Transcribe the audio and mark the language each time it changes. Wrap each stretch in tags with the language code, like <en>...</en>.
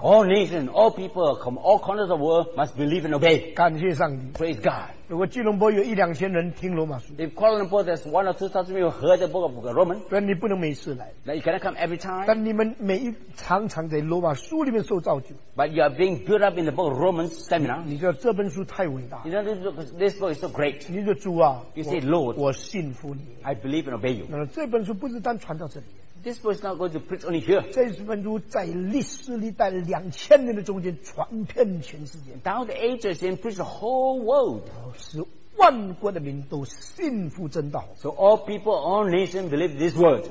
<en>all nations, all people from all corners of the world must believe and obey.</en> <zh>感谢上帝,</zh> <en>praise God.</en> <zh>如果基隆坡有一两千人听罗马书,</zh> <en>if Kuala Lumpur there's 1 or 2,000 people heard the book of Romans,</en> <zh>所以你不能每次来,</zh> <en>that you cannot come every time,</en> <zh>但你们每一常常在罗马书里面受造就,</zh> <en>but you are being built up in the book of Romans seminar,</en> <zh>你说这本书太伟大,</zh> <en>you know this book is so great,</en> <zh>你说主啊,</zh> <en>you say Lord,</en> <zh>我信服你,</zh> <en>I believe and obey you.</en> <zh>那这本书不是单传到这里,</zh> <en>this book is not going to preach only here.</en> <zh>这本书在历史历代2000年的中间传遍全世界,</zh> <en>down the ages and preach the whole world.</en> <zh>万国的民都信服真道,</zh> <en>so all people, all nations believe this word.</en>